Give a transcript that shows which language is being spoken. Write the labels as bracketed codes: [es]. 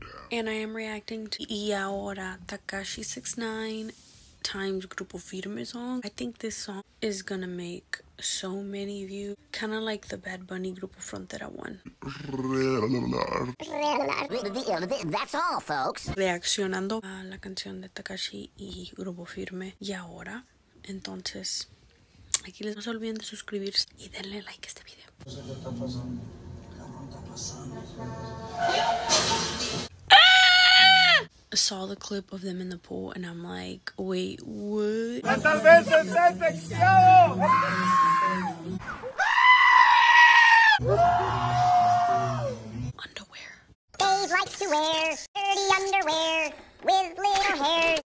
[en] And I am reacting to Ahora, Takashi 6ix9ine. Times Grupo Firme song. I think this song is gonna make so many of you kind of like the Bad Bunny Grupo Frontera one. That's all, folks. [es] Reaccionando a la canción de Takashi y Grupo Firme. Y ahora, entonces, aquí les no se olviden de suscribirse y denle like a este video. [en] Saw the clip of them in the pool and I'm like, wait, what? Underwear. Dave likes to wear dirty underwear with little hair.